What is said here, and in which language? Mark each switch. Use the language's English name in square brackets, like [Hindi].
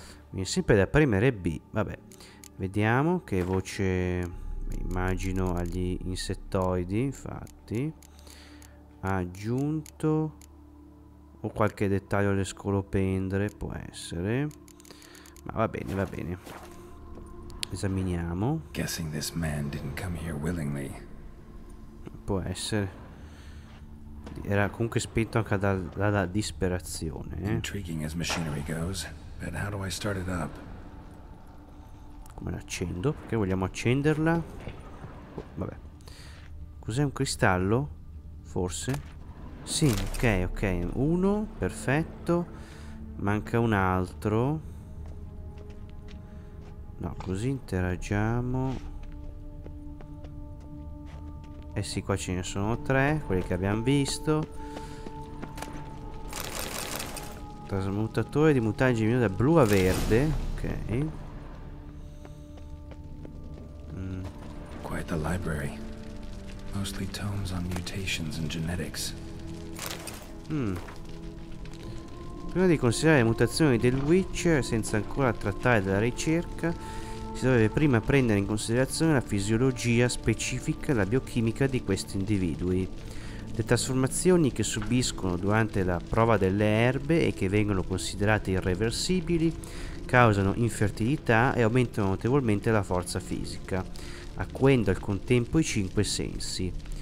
[Italian] Mi è sempre da premere B. Vabbè, vediamo che voce immagino agli insettoidi, infatti. Aggiunto... O qualche dettaglio alle scolopendre, può essere. Ma va bene, va bene. Esaminiamo. [English] Guessing this man didn't come here willingly. [Italian] Può essere. Era comunque spinto anche dalla disperazione. [English] Intriguing as machinery goes, but how do I start it up? [Italian] Come l'accendo? Perché vogliamo accenderla? Oh, vabbè. Cos'è, un cristallo? Forse? Sì, ok, ok. Uno, perfetto. Manca un altro. No, così interagiamo. Eh sì, qua ce ne sono tre, quelli che abbiamo visto. Trasmutatore di mutagene da blu a verde. Ok. [English] Quite the library. Mostly tomes on mutations and genetics. [Italian] Prima di considerare le mutazioni del Witcher, senza ancora trattare della ricerca, si dovrebbe prima prendere in considerazione la fisiologia specifica e la biochimica di questi individui. Le trasformazioni che subiscono durante la prova delle erbe e che vengono considerate irreversibili causano infertilità e aumentano notevolmente la forza fisica, acuendo al contempo i cinque sensi.